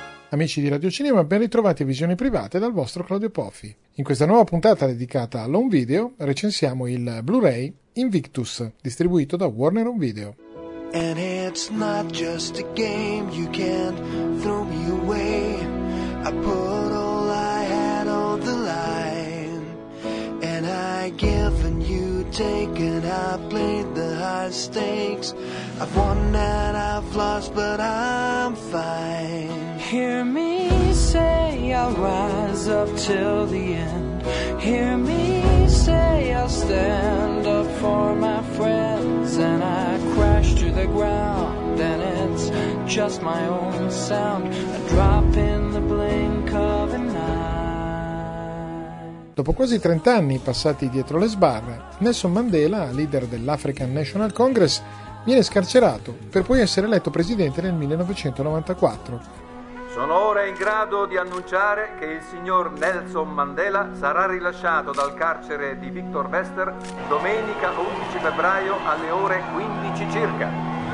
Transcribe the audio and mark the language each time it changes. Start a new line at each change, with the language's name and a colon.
Italian: Amici di Radio Cinema, ben ritrovati a Visioni Private dal vostro Claudio Poffi. In questa nuova puntata dedicata a Home Video recensiamo il Blu-ray Invictus, distribuito da Warner Home Video.
English: And it's not just a game, you can't throw me away. I put all I had on the line, and I give and you take, and I played the high stakes. I've won and I've lost, but I'm fine. Hear me say I'll rise up till the end. Hear me say I'll stand up for my friends. And I crash to the ground and it's just my own sound. A drop in the blink of an eye.
Italian: Dopo quasi 30 anni passati dietro le sbarre, Nelson Mandela, leader dell'African National Congress, viene scarcerato per poi essere eletto presidente nel 1994. Sono ora in grado di annunciare che il signor Nelson Mandela sarà rilasciato dal carcere di Victor Wester domenica 11 febbraio alle ore 15 circa.